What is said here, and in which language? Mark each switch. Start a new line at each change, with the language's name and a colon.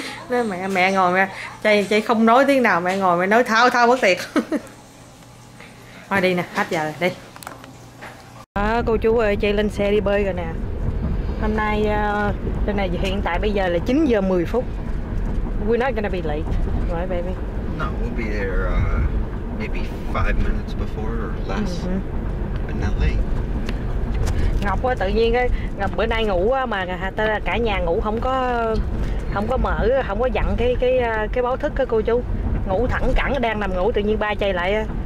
Vietnamese: Nói mẹ ngồi mẹ chạy không nói tiếng nào, mẹ ngồi mẹ nói thao bất tuyệt. Thôi đi nè, hết giờ rồi, đi. À, cô chú ơi, chạy lên xe đi bơi rồi nè. Hôm nay trên này hiện tại bây giờ là 9:10.
English: We're not gonna be late, right baby? No, we'll be there maybe 5 minutes before or less. Mm-hmm. But not late.
Vietnamese: Ngọc tự nhiên Ngọc bữa nay ngủ mà cả nhà ngủ không có mở, không có dặn cái báo thức á cô chú. Ngủ thẳng cẳng đang nằm ngủ tự nhiên ba chạy lại.